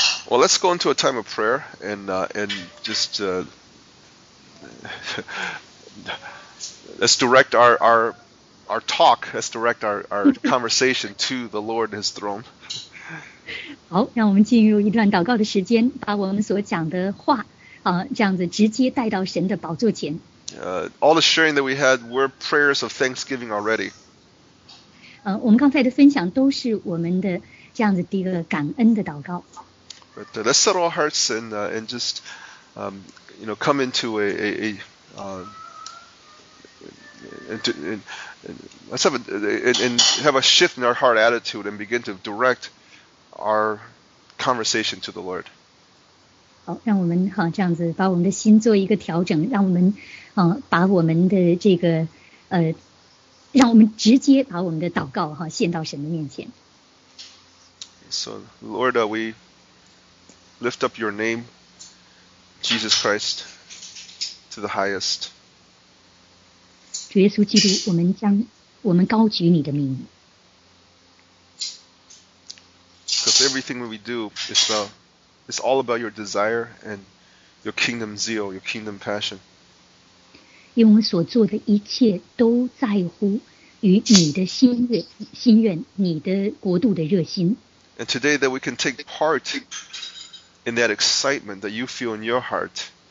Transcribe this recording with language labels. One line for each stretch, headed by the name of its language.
English: Well, let's go into a time of prayer and just let's direct our talk, let's direct our conversation to the Lord and His throne.
Chinese: 好，让我们进入一段祷告的时间，把我们所讲的话啊，这样子直接带到神的宝座前。
English: All the sharing that we had were prayers of thanksgiving already.
Chinese: 我们刚才的分享都是我们的这样子的一个感恩的祷告。
English: But let's settle our hearts and just come into a shift in our heart attitude and begin to direct our conversation to the Lord.
Chinese: 好，让我们哈这样子把我们的心做一个调整，让我们把我们的这个让我们直接把我们的祷告哈献到神的面前。
English: So Lord, we lift up your name, Jesus Christ, to the highest.
Chinese: 主耶稣基督，我们高举你的名。
English: Because everything we do is all about your desire and your kingdom zeal, your kingdom passion.
Chinese: 因为我们所做的一切都在乎于你的心愿，你的国度的热心。
English: And today that we can take part in that excitement that you feel in your heart.